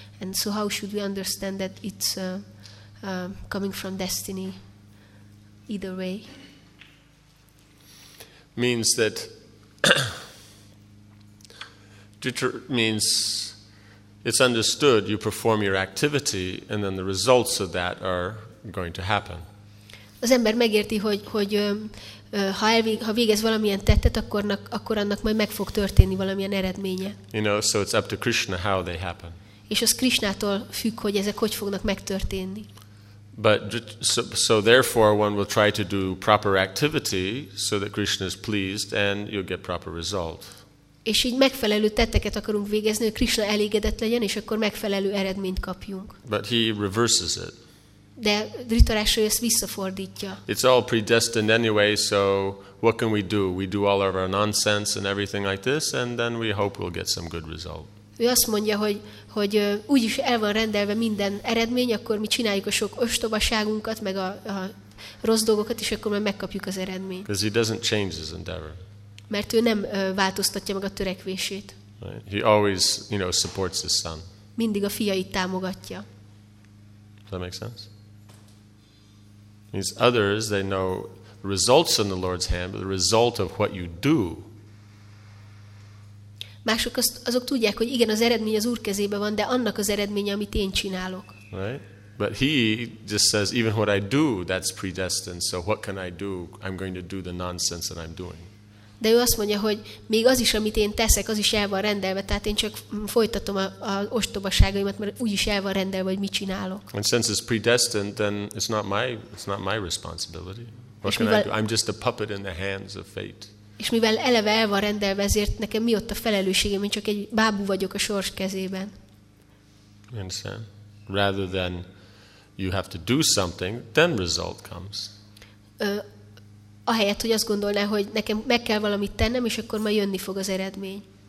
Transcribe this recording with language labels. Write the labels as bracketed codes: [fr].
[en] And so how should we understand that it's coming from destiny either way? Means that Dhritarashtra means... It's understood you perform your activity and then the results of that are going to happen. [hu] Az ember megérti, hogy ha végez valamilyen tettet, akkor annak majd meg fog történni valamilyen eredménye. [en] You know, so it's up to Krishna how they happen. [hu] És az Krishnától függ, hogy ezek hogy fognak megtörténni. [en] But so therefore one will try to do proper activity so that Krishna is pleased and you'll get proper result. [hu] És így megfelelő tetteket akarunk végezni, hogy Krishna elégedett legyen, és akkor megfelelő eredményt kapjunk. [en] But he reverses it. [hu] De Dhritarashtra ezt visszafordítja. [en] It's all predestined anyway, so what can we do? We do all of our nonsense and everything like this, and then we hope we'll get some good result. [hu] ő azt mondja, hogy úgyis el van rendelve minden eredmény, akkor mi csináljuk a sok ostobaságunkat, meg a rossz dolgokat, és akkor már megkapjuk az eredményt. [en] Because he doesn't change his endeavor. [hu] Mert ő nem változtatja meg a törekvését. [en] He always, you know, supports his son. [hu] Mindig a fiait támogatja. [en] Does that make sense? These others, they know the results in the Lord's hand, but the result of what you do. [hu] Mások azok tudják, hogy igen, az eredmény az Úr kezében van, de annak az eredménye, amit én csinálok. [en] Right? But he just says, even what I do, that's predestined, so what can I do? I'm going to do the nonsense that I'm doing. [hu] De ő azt mondja, hogy még az is, amit én teszek, az is el van rendelve, tehát én csak folytatom az ostobaságaimat, mert úgy is el van rendelve, hogy mit csinálok. [en] And since it's predestined, then it's not my responsibility. What can I do? I'm just a puppet in the hands of fate. [hu] És mivel eleve el van rendelve, ezért nekem mi ott a felelősségem, én csak egy bábú vagyok a sors kezében. [en] Understand? Rather than you have to do something, then result comes. [hu] Ahelyett, hogy azt gondolná, hogy nekem meg kell valamit tennem, és akkor majd jönni fog az eredmény.